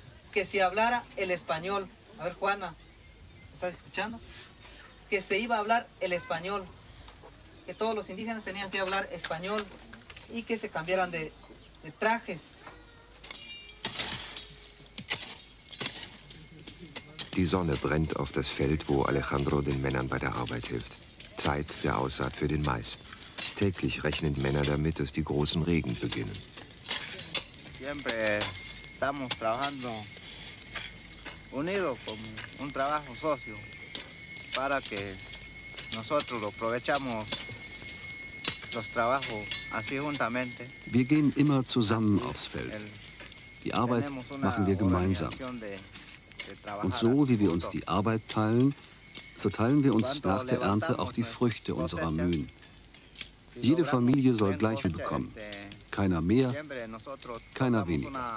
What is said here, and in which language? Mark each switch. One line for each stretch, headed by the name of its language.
Spanish: Que si hablara el español. A ver, Juana, ¿estás escuchando? Que se iba a hablar el español. Que todos los indígenas tenían que hablar español y que se cambiaran de trajes.
German: Die Sonne brennt auf das Feld, wo Alejandro den Männern bei der Arbeit hilft. Zeit der Aussaat für den Mais. Täglich rechnen die Männer damit, dass die großen Regen beginnen.
Spanish: Siempre estamos trabajando unidos con un trabajo socio para que nosotros lo aprovechamos los trabajos así juntamente.
German: Wir gehen immer zusammen aufs Feld. Die Arbeit machen wir gemeinsam. Und so, wie wir uns die Arbeit teilen, so teilen wir uns nach der Ernte auch die Früchte unserer Mühen. Jede Familie soll gleich viel bekommen. Keiner mehr, keiner weniger.